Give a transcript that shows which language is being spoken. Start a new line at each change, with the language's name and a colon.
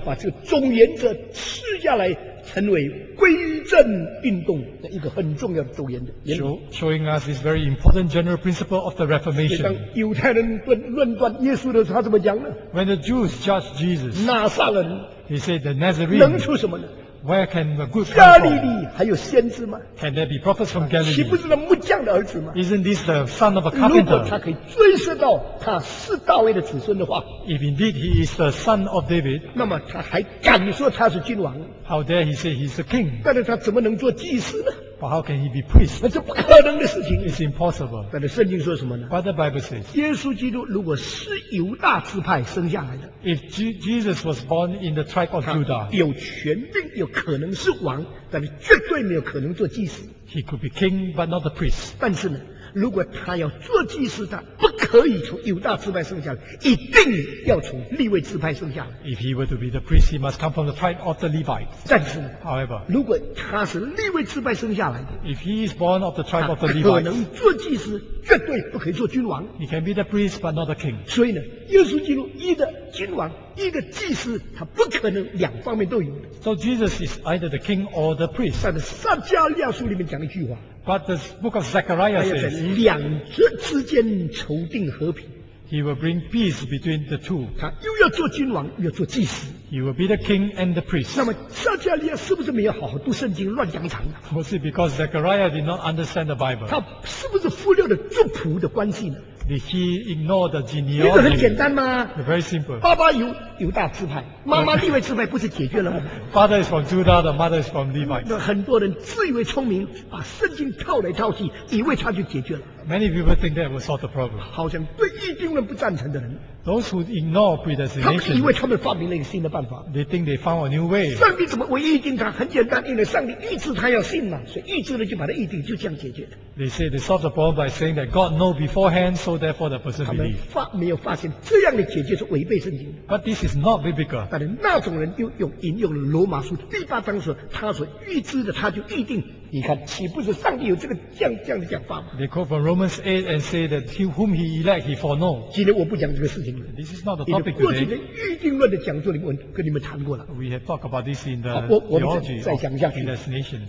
Chinese: 都把这个总原则吃下来，成为归正运动的一个很重要的总原则。
English: Showing us this very important general principle of the Reformation.
Chinese: 当犹太人论断耶稣的时候，他怎么讲呢
English: ？When the Jews judge Jesus,
Chinese: 拿撒勒
English: he said the Nazarene
Chinese: 能出什么呢
English: ？Where can a good
Chinese: come from? 加利利还有先知吗
English: ？Can there be prophets from Galilee?
Chinese: 岂不是那木匠的儿子吗
English: ？Isn't this the son of a carpenter?
Chinese: 如果他可以追溯到他是大卫的子孙的话
English: ，If indeed he is the son of David,
Chinese: 那么他还敢说他是君王？
English: How dare he say he's a king?
Chinese: 但是他怎么能做祭司呢
English: ？But how can he be priest?
Chinese: 那是不可能的事情。
English: It's impossible.
Chinese: 但是圣经说什么呢
English: ？But the Bible says,
Chinese: 耶稣基督如果是犹大支派生下来的
English: ，If Jesus was born in the tribe of Judah,
Chinese: 有权柄，有可能是王，但是绝对没有可能做祭司。
English: He could be king, but not the priest.
Chinese: 但是呢，如果他要做祭司，他不可可以从犹大支派生下来，一定要从利位支派生下来。
English: If he were to be the priest, he must come from the tribe of the Levites.
Chinese: 但是
English: ，However，
Chinese: 如果他是利位支派生下来的
English: ，If he is born of the tribe of the Levites，
Chinese: 可能做祭司，绝对不可以做君王。
English: He can be the priest, but not the king.
Chinese: 所以呢，耶稣基督一个君王，一个祭司，他不可能两方面都有的。
English: So Jesus is either the king or the priest.
Chinese: 但是撒迦利亚书里面讲一句话。
English: But the book of Zechariah says,
Chinese: 两者之间筹定和平。
English: He will bring peace between the two.
Chinese: 他又要做君王，又要做祭司。
English: He will be the king and the priest.
Chinese: 那么撒迦利亚是不是没有好好读圣经，乱讲场？
English: Was it because Zechariah did not understand the Bible?
Chinese: 他是不是忽略了族谱的关系呢？
English: Did he ignore the genealogy?
Chinese: 很简单吗？
English: Very simple.
Chinese: 爸爸有犹大支派，妈妈利未支派，不是解决了吗？
English: Father is from Judah, the mother is from Levi.
Chinese: 很多人自以为聪明，把圣经套来套去，以为他就解决了。
English: Many people think that will solve the problem.
Chinese: 好像对异定论不赞成的人。
English: Those who ignore predestination,
Chinese: 因为他们发明了一个新的办法。
English: They think they found a new way.
Chinese: 上帝怎么会预定他？很简单，因为上帝预知他要信嘛，所以预知了就把他预定，就这样解决的。
English: They say they solve the problem by saying that God knows beforehand, so therefore the person believes.
Chinese: 他们没有发现这样的解决是违背圣经的。
English: But this is not biblical.
Chinese: 但是那种人又引用了罗马书第八章说，他所预知的他就预定。你看，岂不是上帝有这样的讲法吗
English: ？They quote from Romans 8 and say that he whom he elect he foreknow.
Chinese: 今天我不讲这个事情了。
English: This is not the topic today.
Chinese: 过去的预定论的讲座里面，跟你们谈过了。
English: We have talked about this in the theology of predestination.